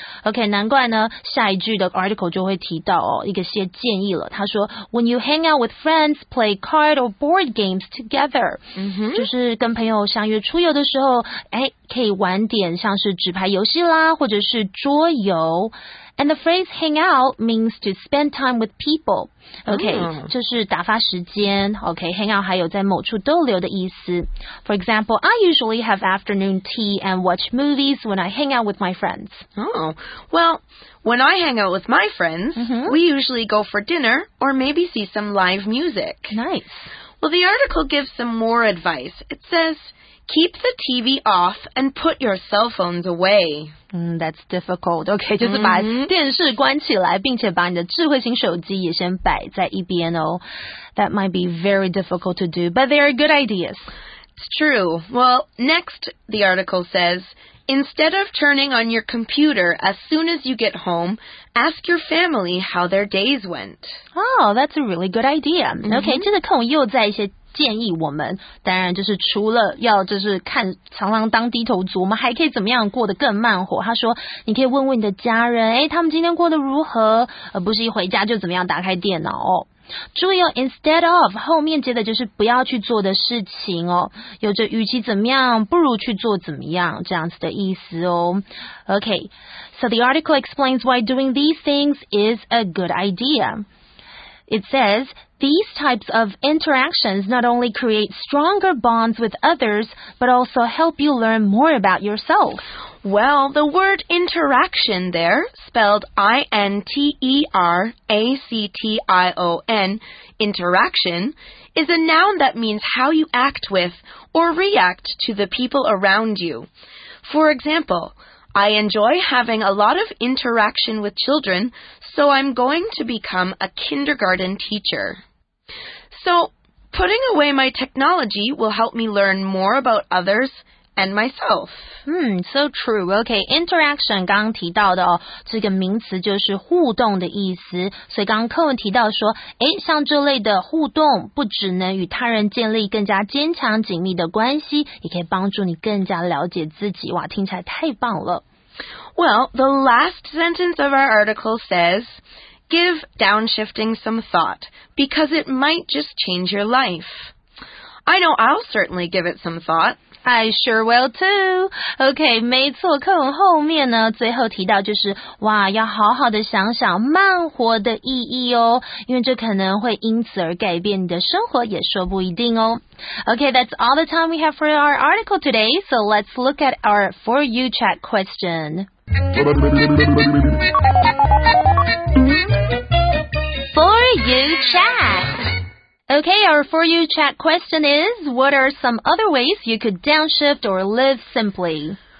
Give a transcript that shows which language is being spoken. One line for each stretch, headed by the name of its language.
English: OK,
Chinese: 难怪呢下一句的
English: article
Chinese: 就会提到哦一个些建议了。他说
English: ,When you hang out with friends, play card or board games together.、 Mm-hmm.
Chinese: 就是跟朋友相约出游的时候，哎，可以玩点像是纸牌游戏啦或者是桌游。
English: And the phrase hang out means to spend time with people. OK,、 mm-hmm.
Chinese: 就是打发时间。OK, hang out 还有在某处逗留的意思。
English: For example, I usually have afternoon tea and watch movies when I hang out with my friends. Oh, well, when I hang out with my friends,、 mm-hmm. we usually go for dinner or maybe see some live music. Nice. Well, the article gives some more advice. It says... Keep the TV off and put your cell phones away. That's difficult.
Chinese: OK,、mm-hmm. 就是把电视关起来并且把你的智慧型手机也先摆在一边哦。
English: That might be very difficult to do, but they are good ideas. It's true. Well, next, the article says, instead of turning on your computer as soon as you get home, ask your family how their days went. Oh, that's a really good idea.、Mm-hmm.
Chinese: OK, 这个课文又在一些建议我们，当然就是除了要就是看长廊当低头族，我们还可以怎么样过得更慢活。他说你可以问问你的家人，诶，他们今天过得如何，而不是一回家就怎么样打开电脑。注意哦， instead of 后面接的就是不要去做的事情哦，有着与其怎么样不如去做怎么样这样子的意思哦。
English: OK, so the article explains why doing these things is a good idea. It saysThese types of interactions not only create stronger bonds with others, but also help you learn more about yourself. Well, the word interaction there, spelled I-N-T-E-R-A-C-T-I-O-N, interaction, is a noun that means how you act with or react to the people around you. For example, I enjoy having a lot of interaction with children, so I'm going to become a kindergarten teacher. So, putting away my technology will help me learn more about others and myself. So true.
Chinese: Okay, interaction 刚提到的哦，这个名词就是互动的意思。所以刚刚课文提到说，诶，像这类的互动不只能与他人建立更加坚强紧密的关系，也可以帮助你更加了解自己。哇，听起来太棒了。
English: Well, the last sentence of our article says... Give downshifting some thought, because it might just change your life. I know I'll certainly give it some thought. I sure will too.
Chinese: Okay, 没错，课文后面呢，最后提到就是，哇，要好好的想想慢活的意义哦，因为这可能会因此而改变你的生活，也说不一定哦。
English: Okay, that's all the time we have for our article today, so let's look at our For You Chat question. For You Chat. Okay, our For You Chat question is, what are some other ways you could downshift or live simply?